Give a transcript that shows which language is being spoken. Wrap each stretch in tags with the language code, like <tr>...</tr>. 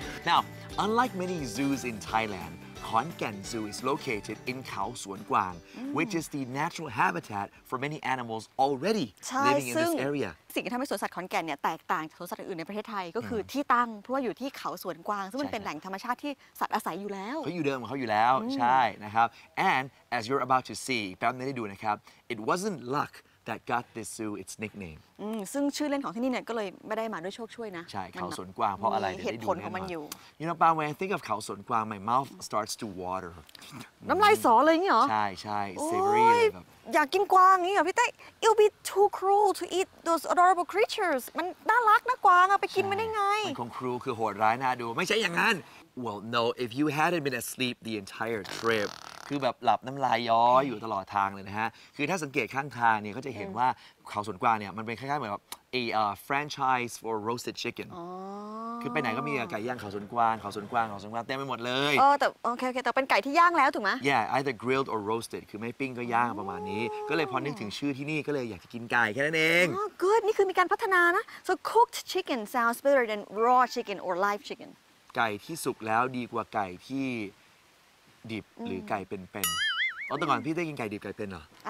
<en>Now, unlike many zoos in Thailand, Khon Kaen Zoo is located in Khao Suan Quang, which is the natural habitat for many animals already living in this area.</en> <th>สิ่งที่ทำให้สวนสัตว์ขอนแก่นเนี่ยแตกต่างจากสวนสัตว์อื่นในประเทศไทยก็คือที่ตั้งเพราะว่าอยู่ที่เขาสวนกวางซึ่งมันเป็นแหล่งธรรมชาติที่สัตว์อาศัยอยู่แล้ว เขาอยู่เดิมของเขาอยู่แล้วใช่นะครับ</th> <en>and as you're about to see</en> <th>แป๊บนึงได้ดูนะครับ</th> <en>it wasn't luckThat got this zoo its nickname.</en> <th>ซึ่งชื่อเล่นของที่นี่เนี่ยก็เลยไม่ได้มาด้วยโชคช่วยนะ ใช่เขาสวนกวางเพราะอะไร เหตุผลของมันอยู่</th> <en>You know, Bao, when I think of เขาสวนกวาง my mouth starts to water.</en> <th>น้ำลายสอเลยงี้เหรอ ใช่ใช่ savory อยากกินกวางงี้เหรอพี่เต้</th> <en>It'll be too cruel to eat those adorable creatures.</en> <th>มันน่ารักนะกวางอะไปกินมันได้ไง มันคง cruel คือโหดร้ายน่าดูไม่ใช่อย่างนั้น</th> <en>Well, no, if you hadn't been asleep the entire trip.</en> <th>คือแบบหลับน้ำลายย้อยอยู่ตลอดทางเลยนะฮะคือถ้าสังเกตข้างทางเนี่ยก็จะเห็นว่าเขาสวนกวางเนี่ยมันเป็นคล้ายๆเหมือนแบบ</th> <en>a franchise for roasted chicken</en> <th>คือไปไหนก็มีไก่ย่างเขาสวนกวางเขาสวนกวางเขาสวนกวางเต็มไปหมดเลย โอ้แต่โอเคโอเคแต่เป็นไก่ที่ย่างแล้วถูกไหม</th> <en>yeah either grilled or roasted</en> <th>คือไม่ปิ้งก็ย่างประมาณนี้ก็เลยพอนึกถึงชื่อที่นี่ก็เลยอยากจะกินไก่แค่นั้นเอง</th> <en>อ๋อ good</en> <th>นี่คือมีการพัฒนานะ</th> <en>so cooked chicken sounds better than raw chicken or live chicken</en> <th>ไก่ที่สุกแล้วดีกว่าไก่ที่ดิบหรือไก่เป็นๆเอาแต่ก่อนพี่ได้กินไก่ดิบไก่เป็นเหรออ</th>